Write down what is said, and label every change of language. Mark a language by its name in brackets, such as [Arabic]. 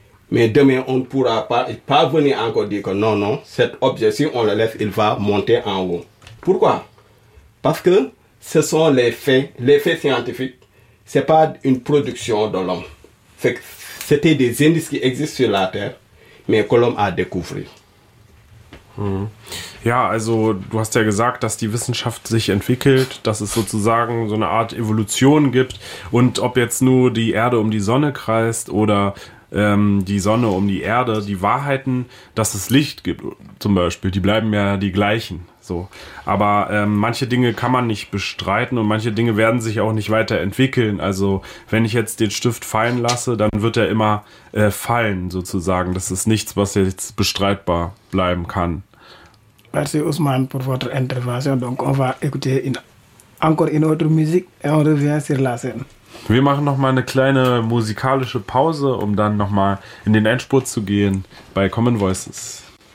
[French] Mais demain, on ne pourra pas venir encore dire que non, non, cet objet, si on le lève, il va monter en haut. Pourquoi? Parce que ce sont les faits scientifiques, ce n'est pas une production de l'homme. C'était des indices qui existent sur la terre, mais que l'homme a découvert. [German] Ja, also du hast ja gesagt, dass die Wissenschaft sich entwickelt, dass es sozusagen so eine Art Evolution gibt und ob jetzt nur die Erde um die Sonne kreist oder die Sonne um die Erde, die Wahrheiten, dass es Licht gibt zum Beispiel, die bleiben ja die gleichen. So. Aber manche Dinge kann man nicht bestreiten und manche Dinge werden sich auch nicht weiterentwickeln. Also wenn ich jetzt den Stift fallen lasse, dann wird er immer fallen sozusagen. Das ist nichts, was jetzt bestreitbar bleiben kann. [French] Merci Ousmane pour votre intervention. Donc on va écouter encore une autre musique et on revient sur la scène. [German] Wir machen noch mal eine kleine musikalische Pause, um dann noch mal in den Endspurt zu gehen bei Common Voices.